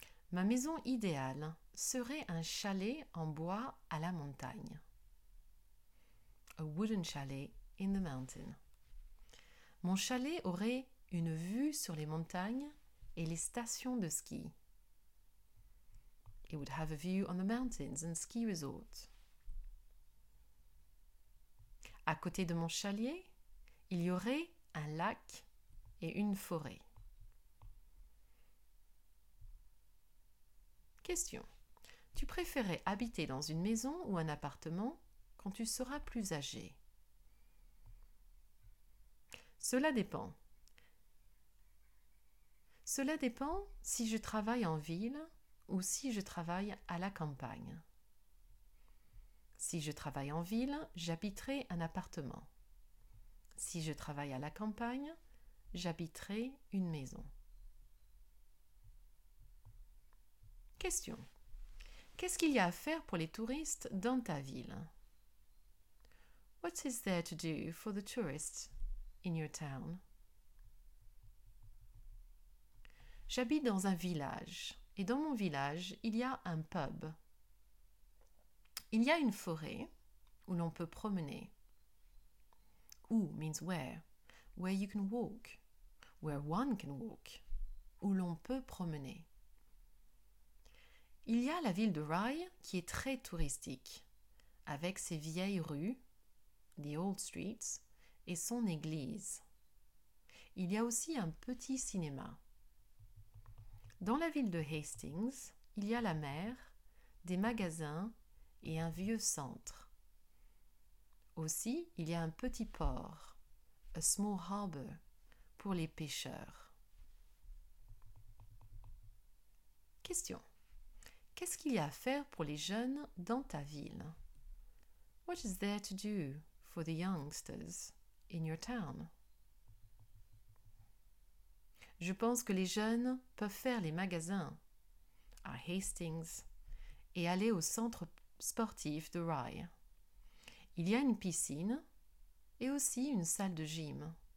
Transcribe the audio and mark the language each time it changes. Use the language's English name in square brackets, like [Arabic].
[French] Ma maison idéale serait un chalet en bois à la montagne. [English] A wooden chalet in the mountain. [French] Mon chalet aurait une vue sur les montagnes et les stations de ski. [English] It would have a view on the mountains and ski resorts. [French] À côté de mon chalet, il y aurait un lac et une forêt. Question. Tu préférais habiter dans une maison ou un appartement quand tu seras plus âgé? Cela dépend. Cela dépend si je travaille en ville ou si je travaille à la campagne. Si je travaille en ville, j'habiterai un appartement. Si je travaille à la campagne, j'habiterai une maison. Question. Qu'est-ce qu'il y a à faire pour les touristes dans ta ville? [English] What is there to do for the tourists in your town? [French] J'habite dans un village et dans mon village, il y a un pub. Il y a une forêt où l'on peut promener. [English] Où means where you can walk, where one can walk, [French] où l'on peut promener. Il y a la ville de Rye qui est très touristique, avec ses vieilles rues, [English] the old streets, [French] et son église. Il y a aussi un petit cinéma. Dans la ville de Hastings, il y a la mer, des magasins et un vieux centre. Aussi, il y a un petit port, [English] a small harbour, [French] pour les pêcheurs. Question. Qu'est-ce qu'il y a à faire pour les jeunes dans ta ville? [English] What is there to do for the youngsters in your town? [French] Je pense que les jeunes peuvent faire les magasins à Hastings et aller au centre sportif de Rye. Il y a une piscine et aussi une salle de gym.